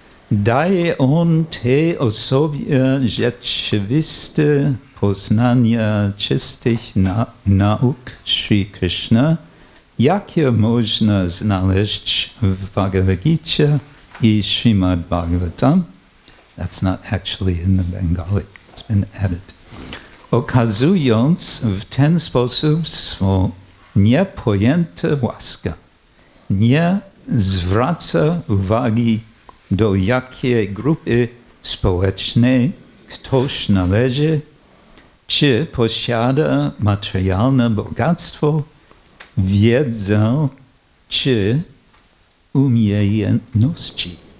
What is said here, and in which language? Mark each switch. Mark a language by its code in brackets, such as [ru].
[pl] Daje on te osobie rzeczywiste poznania czystych nauk Sri Krishna, jakie można znaleźć w Bhagavad Gita i Srimad Bhagavatam. [en] That's not actually in the Bengali, it's been added. [pl] Okazując w ten sposób swą niepojęte łaskę, nie zwraca uwagi do jakiej grupy społecznej ktoś należy, czy posiada materialne bogactwo, wiedzę, czy umiejętności.